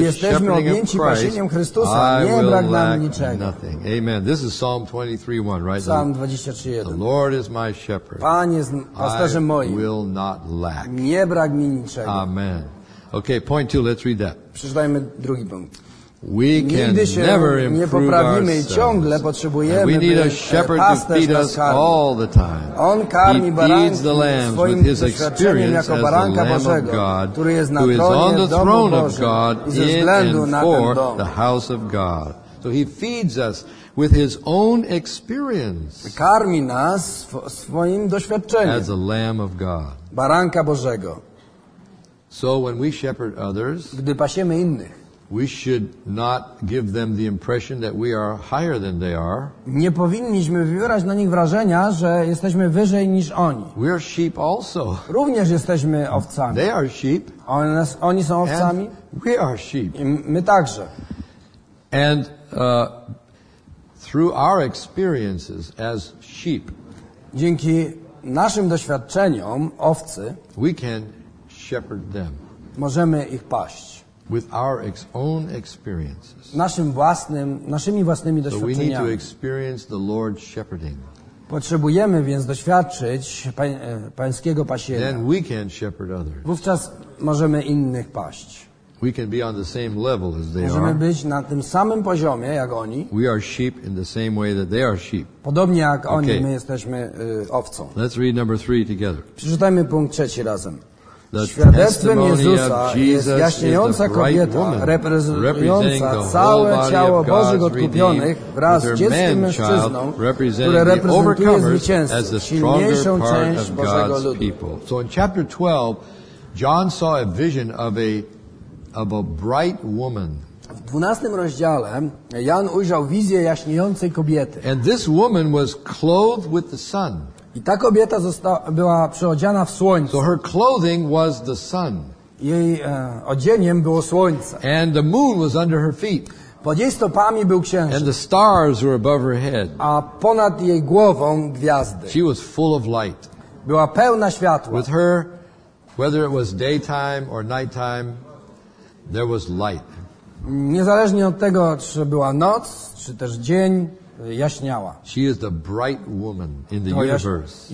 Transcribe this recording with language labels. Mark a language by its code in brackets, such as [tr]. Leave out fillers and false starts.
[pl] jesteśmy objęci pasieniem Chrystusa, nie brak nam niczego. [en] Nothing. Amen. This is Psalm 23:1, right? Psalm 23:1. The Lord is my shepherd. [pl] Pan jest pasterzem moim. [en] I will not lack. [pl] Nie brak mi niczego. [en] Amen. Okay, point two. Let's read that. [pl] Przeczytajmy drugi punkt. [en] We can never improve ourselves. And we need a shepherd to feed us all the time. He feeds the lambs with his experience as the Lamb of God, who is on the throne of God in and for the house of God. So he feeds us with his own experience. [pl] Karmi nas swoim doświadczeniem. [en] As a Lamb of God. [pl] Baranka Bożego. [en] So when we shepherd others, [pl] gdy pasiemy innych, [en] we should not give them the impression that we are higher than they are. [pl] Nie powinniśmy wywierać na nich wrażenia, że jesteśmy wyżej niż oni. [en] We are sheep also. [pl] Również jesteśmy owcami. [en] They are sheep. [pl] Oni są owcami. [en] And we are sheep. [pl] I my także. [en] And through our experiences as sheep, [pl] dzięki naszym doświadczeniom owcy, [en] we can shepherd them. [pl] Możemy ich paść. [en] With our own experiences. [pl] Naszymi własnymi doświadczeniami. [en] So we need to experience the Lord's shepherding. [pl] Potrzebujemy więc doświadczyć pańskiego pasienia. [en] Then we can shepherd others. [pl] Wówczas możemy innych paść. [en] We can be on the same level as they [pl] możemy [en] are. [pl] Być na tym samym poziomie jak oni. [en] We are sheep in the same way that they are sheep. [pl] Podobnie jak oni, my jesteśmy owcą. [en] Let's read number three together. [pl] Przeczytajmy punkt trzeci razem. The świadectwem Jezusa jest jaśniejąca kobieta, reprezentująca całe ciało Bożych odkupionych wraz z dzieckiem mężczyzną, które reprezentuje zwycięstwo, silniejszą część Bożego ludu. [en] So in chapter 12, John saw a vision of a bright woman. [pl] W 12 rozdziale Jan ujrzał wizję jaśniejącej kobiety. [en] And this woman was clothed with the sun. [pl] I ta kobieta była przyodziana w słońce. [en] So her clothing was the sun. [pl] Jej odzieniem było słońce. [en] And the moon was under her feet. [pl] Pod jej stopami był księżyc. [en] And the stars were above her head. [pl] A ponad jej głową gwiazdy. [en] She was full of light. [pl] Była pełna światła. [en] With her, whether it was daytime or nighttime, there was light. [pl] Niezależnie od tego, czy była noc, czy też dzień, jaśniała. [en] She is the bright woman in the universe.